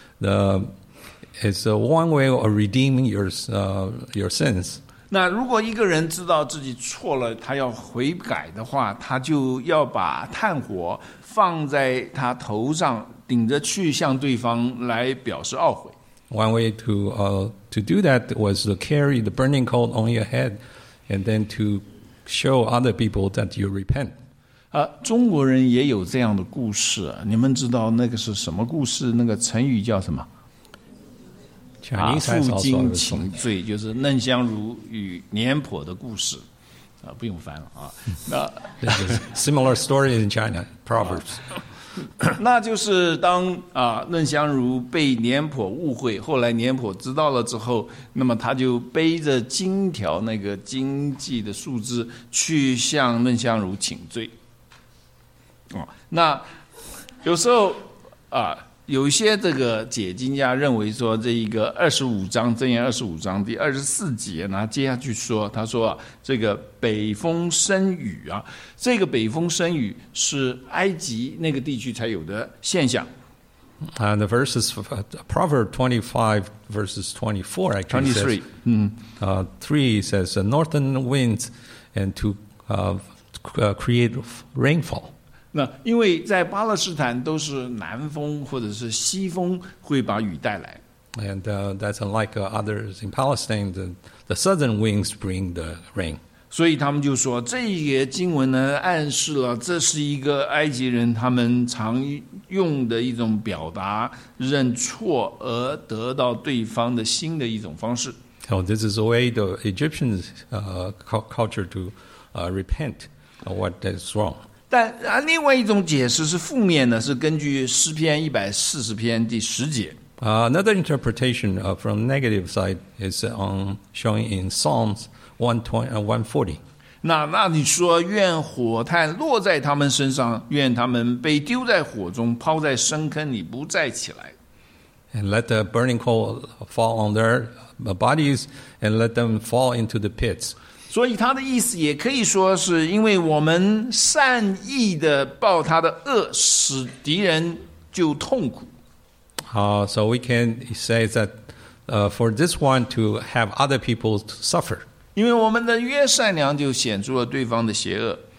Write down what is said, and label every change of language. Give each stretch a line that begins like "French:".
English: It's one way of redeeming your sins.
Chinese: 那如果一个人知道自己错了，他要悔改的话，他就要把炭火放在他头上，顶着去向对方来表示懊悔。
English: One way to do that was to carry the burning coal on your head, and then to show other people that you repent.
Chinese: 中国人也有这样的故事，你们知道那个是什么故事？那个成语叫什么？负荆请罪，就是嫩香如与廉颇的故事。不用翻了啊。那
English: similar story in China proverbs。
Chinese: 那就是当嫩香如被廉颇误会，后来廉颇知道了之后，那么他就背着荆条那个荆棘的树枝去向嫩香如请罪。那有时候有些这个解经家认为说，这一个二十五章箴言二十五章第二十四节呢，接下去说，他说啊，这个北风生雨啊，这个北风生雨是埃及那个地区才有的现象。
English: And the verses Proverb 25 verses 24 actually says, three says northern winds and to create rainfall.
Chinese: 那因为在巴勒斯坦都是南风或者是西风会把雨带来
English: ，and that's unlike others in Palestine. The southern winds bring the rain.
Chinese: 所以他们就说，这一节经文呢，暗示了这是一个埃及人他们常用的一种表达认错而得到对方的心的一种方式。
English: So this is a way the Egyptian culture to repent of what is wrong.
Chinese: 但另外一种解释是负面的，是根据诗篇一百四十篇第十节。
English: Another interpretation from the negative side is showing in Psalms 140.
Chinese: 那你说愿火炭落在他们身上，愿他们被丢在火中，抛在深坑里不再起来。
English: And let the burning coal fall on their bodies, and let them fall into the pits.
Chinese: 所以他的意思也可以说是因为我们善意的报他的恶，使敌人就痛苦。
English: So we can say that for this one to have other people to suffer.
Chinese: 因为我们的越善良就显出了对方的邪恶。